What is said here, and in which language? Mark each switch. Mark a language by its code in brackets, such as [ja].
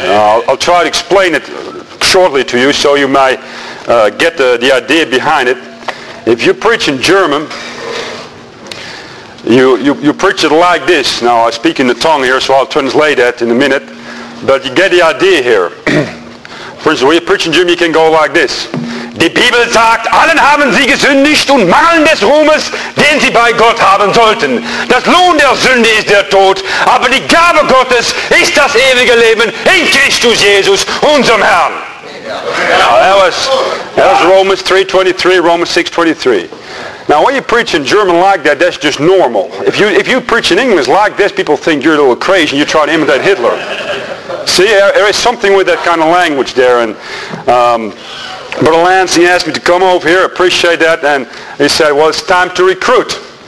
[en] I'll try to explain it shortly to you so you might get the idea behind it. If you preach in German, you preach it like this. Now I speak in the tongue here, so I'll translate that in a minute, but you get the idea here. For instance, when you preach in German, you can go like this. [de] Die Bibel sagt, allen haben sie gesündigt und mangeln des Ruhmes, den sie bei Gott haben sollten. Das Lohn der Sünde ist der Tod, aber die Gabe Gottes ist das ewige Leben in Christus Jesus, unserem Herrn. [en] Now, that was Romans 3:23, Romans 6:23. Now, when you preach in German like that, that's just normal. If you preach in English like this, people think you're a little crazy and you're trying to imitate Hitler. See, there is something with that kind of language there. And Brother Lance, he asked me to come over here, appreciate that, and he said, well, it's time to recruit.